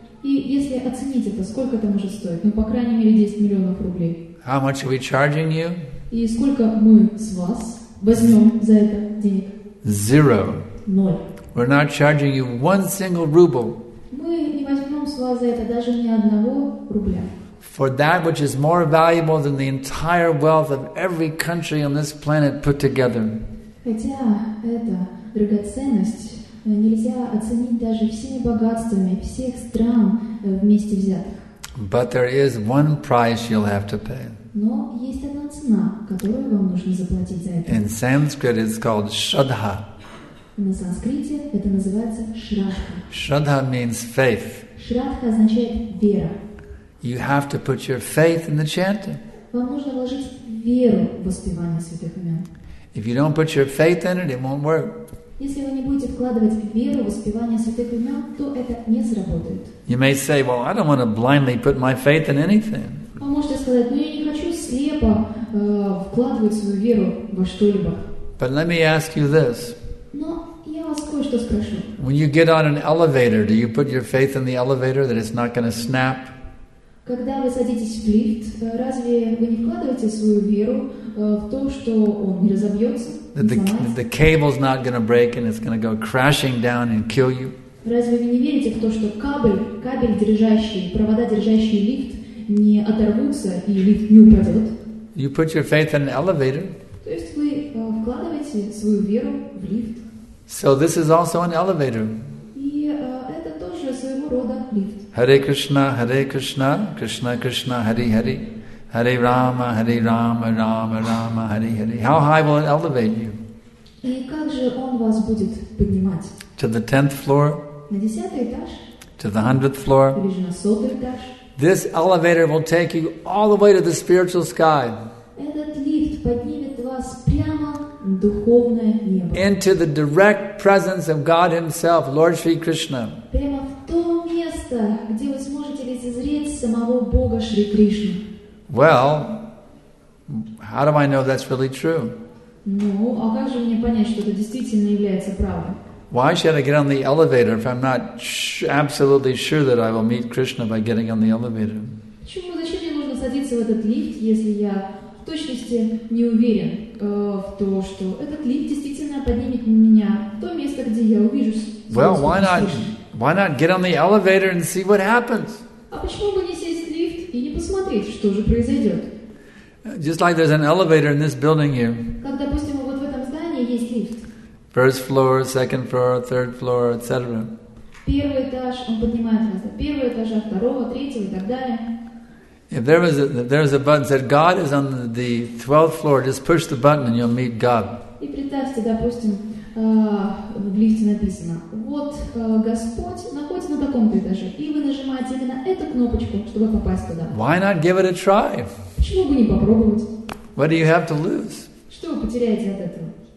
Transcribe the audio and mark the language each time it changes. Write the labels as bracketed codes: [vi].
[ru] И если оценить это, сколько это может стоить? Ну, по крайней мере, 10 миллионов рублей. [en] How much are we charging you? [ru] И сколько мы с вас возьмем за это денег? [en] Zero. [ru] Ноль. [en] We're not charging you one single ruble. [ru] Мы не возьмем с вас за это даже ни одного рубля. [en] For that which is more valuable than the entire wealth of every country on this planet put together. [ru] Хотя это драгоценность, нельзя оценить даже всеми богатствами всех стран вместе взятых. [en] But there is one price you'll have to pay. [ru] Но есть одна цена, которую вам нужно заплатить за это. [en] In Sanskrit it's called Shraddha. [ru] На санскрите это называется Shraddha. [en] Shraddha means faith. [ru] Shraddha означает вера. [en] You have to put your faith in the chanting. [ru] Вам нужно вложить веру в воспевание святых имен. [en] If you don't put your faith in it, it won't work. [ru] Если вы не будете вкладывать веру в воспевание святых имен, то это не сработает. [en] You may say, well, I don't want to blindly put my faith in anything. [ru] Вы можете сказать, ну я не хочу слепо вкладывать свою веру во что-либо. [en] But let me ask you this. [ru] Но я вас кое-что спрошу. [en] When you get on an elevator, do you put your faith in the elevator that it's not going to snap? [ru] Когда вы садитесь в лифт, разве вы не вкладываете свою веру в то, что он не разобьется? [en] The cable's not going to break and it's going to go crashing down and kill you. [ru] Разве вы не верите в то, что кабель держащий, провода держащие лифт не оторвутся и лифт не упадет? [en] You put your faith in an elevator. [ru] То есть вы вкладываете свою веру в лифт. [en] So this is also an elevator. [ru] И это тоже своего рода лифт. [sa] Hare Krishna, Hare Krishna, Krishna Krishna, Hare Hare. Hare Rama, Hare Rama, Rama Rama, Hare Hare. [en] How high will it elevate you? [ru] И как же он вас будет поднимать? [en] To the 10th floor? [ru] На 10-й этаж? [en] To the 100th floor? [ru] Или же на 100-й этаж? [en] This elevator will take you all the way to the spiritual sky. [ru] Этот лифт поднимет вас прямо в духовное небо. [en] Into the direct presence of God Himself, Lord Shri Krishna. [ru] Прямо в то место, где вы сможете лицезреть самого Бога Шри Кришну. [en] Well, how do I know that's really true? [ru] Ну, а как же мне понять, что это действительно является правдой? [en] Why should I get on the elevator if I'm not absolutely sure that I will meet Krishna by getting on the elevator? [ru] Почему, зачем мне нужно садиться в этот лифт, если я в точности не уверен в то, что этот лифт действительно поднимет меня в то место, где я увижу Krishna? [en] Well, why not get on the elevator and see what happens? [ru] А почему бы не сесть? И не посмотреть, что же произойдет. [en] Just like there's an elevator in this building here. [ru] Как, допустим, вот в этом здании есть лифт. [en] First floor, second floor, third floor, etc. [ru] Первый этаж, он поднимает вас до первого этажа, второго, третьего и так далее. [en] If there was a button that said God is on the 12th floor, just push the button and you'll meet God. [ru] И представьте, допустим, в лифте написано, вот Господь находится на таком-то этаже, и вы нажимаете именно эту кнопочку, чтобы попасть туда. [en] Why not give it a try? [ru] Почему бы не попробовать? [en] What do you have to lose? [ru] Что вы потеряете от этого?